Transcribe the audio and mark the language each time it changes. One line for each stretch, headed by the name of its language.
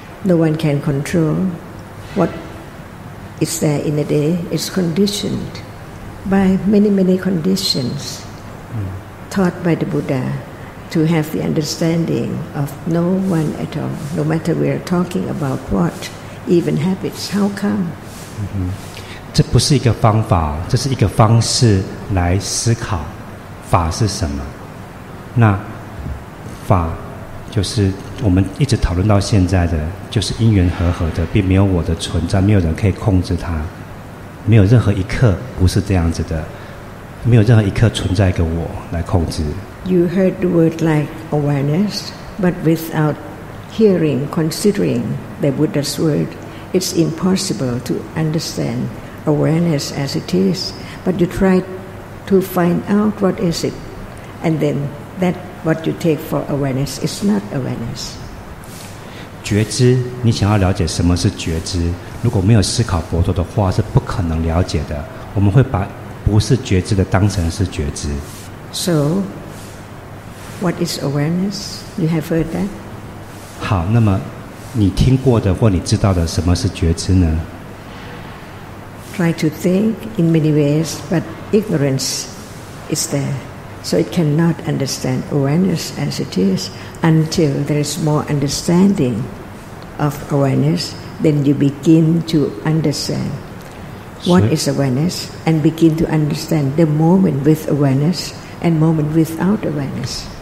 English: No one can control whatIs there in the day, it's conditioned by many, many conditions taught by the Buddha to have the understanding of no one at all, no matter we are talking about what, even habits, how come?
Chinese: 这不是一个方法，这是一个方式来思考法是什么。那法就是我们一直讨论到现在的，就是因缘和合的，并没有我的存在，没有人可以控制它，没有任何一刻不是这样子的，没有任何一刻存在一个我来控制。
English: You heard the word like awareness, but without hearing, considering the Buddha's word, it's impossible to understand awareness as it is. But you try to find out what is it, and then that what you take for awareness is not awareness.
Chinese: 觉知，你想要了解什么是觉知？如果没有思考佛陀的话，是不可能了解的。我们会把不是觉知的当成是觉知。
English: So. What is awareness? You have heard that?
Chinese: 好，那么你听过的或你知道的什么是觉知呢？
English: Try to think in many ways, but ignorance is there. So it cannot understand awareness as it is. Until there is more understanding of awareness, then you begin to understand what is awareness and begin to understand the moment with awareness and moment without awareness.